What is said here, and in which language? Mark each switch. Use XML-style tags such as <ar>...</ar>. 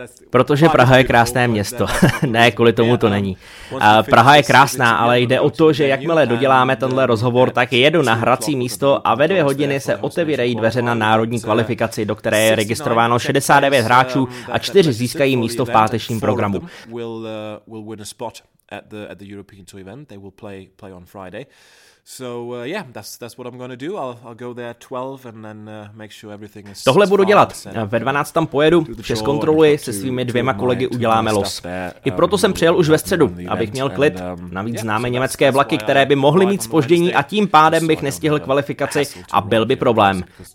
<cs>Protože Praha je krásné město. Ne, kvůli tomu to není. Praha je krásná, ale jde o to, že jakmile doděláme tenhle rozhovor, tak jedu na hrací místo a ve dvě hodiny se otevírají dveře na národní kvalifikaci, do které je registrováno 69 hráčů a 4 získají místo v pátečním programu.</cs> <en>Spot at the European Tour event. They will play on Friday. So that's what I'm going to do. I'll go there 12 and then make sure everything is.</en> <cs>Tohle budu dělat. Ve 12 tam pojedu, vše zkontroluji, se svými dvěma kolegy uděláme los. I proto jsem přijel už ve středu, abych měl klid. Navíc známe německé vlaky, které by mohly mít zpoždění a tím pádem bych nestihl kvalifikaci a byl by problém.</cs>